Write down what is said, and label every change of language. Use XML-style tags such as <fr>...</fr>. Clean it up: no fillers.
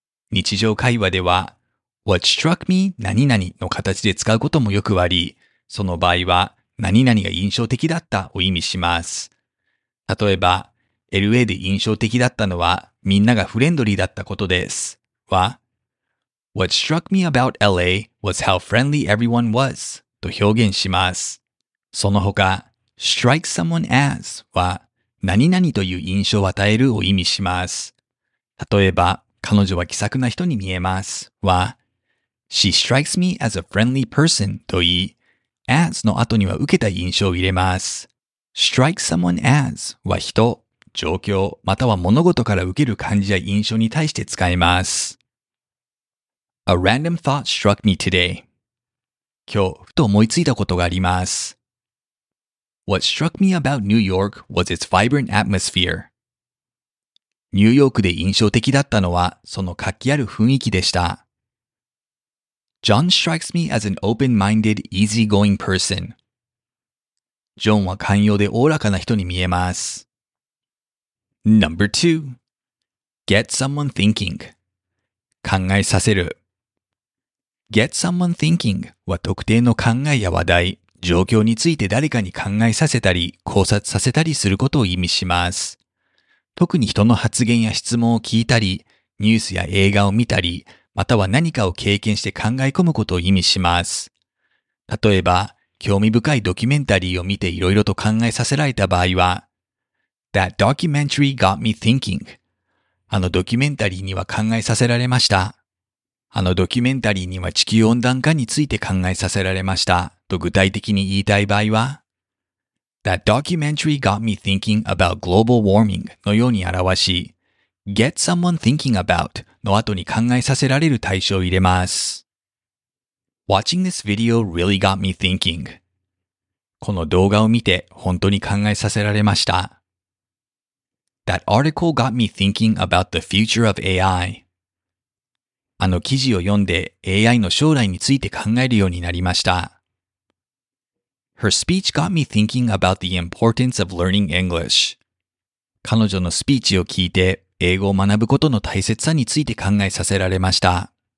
<ja>日常会話では、What struck me 何々の形で使うこともよくあり、その場合は、何々が印象的だったを意味します。例えば、LA で印象的だったのは、みんながフレンドリーだったことです。</ja> <en>は、What struck me about LA was how friendly everyone was</en> <ja>と表現します。その他、strike someone as は、何々という印象を与えるを意味します。例えば、彼女は気さくな人に見えます。は、</ja> <en>She strikes me as a friendly person</en> <ja>と言い、as の後には受けた印象を入れます。 strike someone as は人。状況または物事から受ける感じや印象に対して使います。</ja> <en>A random thought struck me today.</en> <ja>今日、ふと思いついたことがあります。</ja> <en>What struck me about New York was its vibrant atmosphere.</en> <ja>ニューヨークで印象的だったのは、その活気ある雰囲気でした。</ja> <en>John strikes me as an open-minded, easy-going person.</en> <ja>ジョンは寛容でおおらかな人に見えます。</ja> <en>Number 2. Get someone thinking. 考えさせる。</en> <ja>Get someone thinking は特定の考えや話題、状況について誰かに考えさせたり、考察させたりすることを意味します。特に人の発言や質問を聞いたり、ニュースや映画を見たり、または何かを経験して考え込むことを意味します。例えば、興味深いドキュメンタリーを見ていろいろと考えさせられた場合は、</ja> <en>That documentary got me thinking.</en> <ja>あのドキュメンタリーには考えさせられました。あのドキュメンタリーには地球温暖化について考えさせられました。と具体的に言いたい場合は、</ja> <en>That documentary got me thinking about global warming</en> <ja>のように表し、Get someone thinking about の後に考えさせられる対象を入れます。</ja> <en>Watching this video really got me thinking.</en> <ja>この動画を見て本当に考えさせられました。</ja> <en>That article got me thinking about the future of AI.</en> <ja>あの記事を読んで AI の将来について考えるようになりました。</ja> <en>Her speech got me thinking about the importance of learning English.</en> <ja>彼女のスピーチを聞いて英語を学ぶことの大切さについて考えさせられました。</ja>